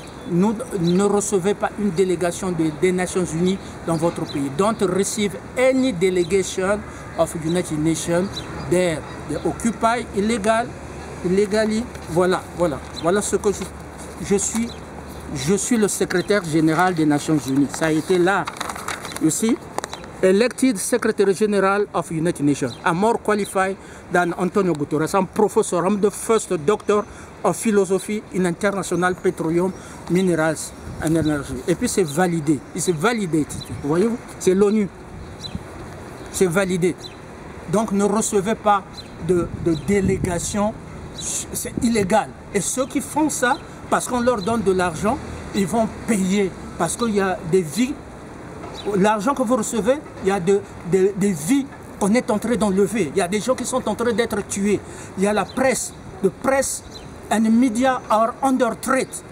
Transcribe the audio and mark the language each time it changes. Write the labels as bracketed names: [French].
[French] Nous ne recevez pas une délégation des Nations Unies dans votre pays. [English] Don't receive any delegation of United Nations there. They occupy illegally. [French] Voilà ce que je suis. Je suis le secrétaire général des Nations Unies. Ça a été là. [English] You see? Elected Secretary General of United Nations. I'm more qualified than Antonio Guterres. I'm professor. I'm the first doctor of philosophy in international petroleum, minerals and energy. [French] Et puis c'est validé. [English] It's validated. [French] Voyez-vous? C'est l'ONU. C'est validé. Donc ne recevez pas de délégation. C'est illégal. Et ceux qui font ça, parce qu'on leur donne de l'argent, ils vont payer. Parce qu'il y a des vies. L'argent que vous recevez, il y a des vies qu'on est en train d'enlever. Il y a des gens qui sont en train d'être tués. Il y a la presse. [English] The press and the media are under threat.